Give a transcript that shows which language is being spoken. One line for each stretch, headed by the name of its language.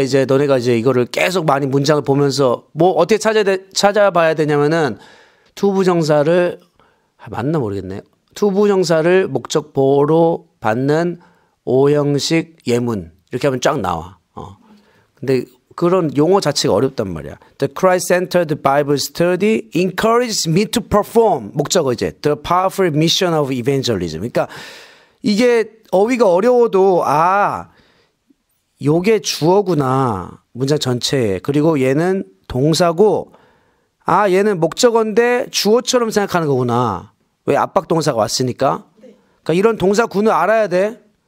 Korean: 이제 너네가 이제 이거를 계속 많이 문장을 보면서 뭐 어떻게 찾아봐야 되냐면은 to 부정사를 맞나 모르겠네. to 부정사를 목적 보호로 받는 5형식 예문 이렇게 하면 쫙 나와. 근데 그런 용어 자체가 어렵단 말이야.
English: The Christ-centered Bible study encourages me to perform.
Korean: 목적어 이제
English: the powerful mission of evangelism.
Korean: 그러니까 이게 어휘가 어려워도 아 요게 주어구나. 문장 전체에. 그리고 얘는 동사고 아 얘는 목적어인데 주어처럼 생각하는 거구나. 왜 압박 동사가 왔으니까. 그러니까 이런 동사 구는 알아야 돼.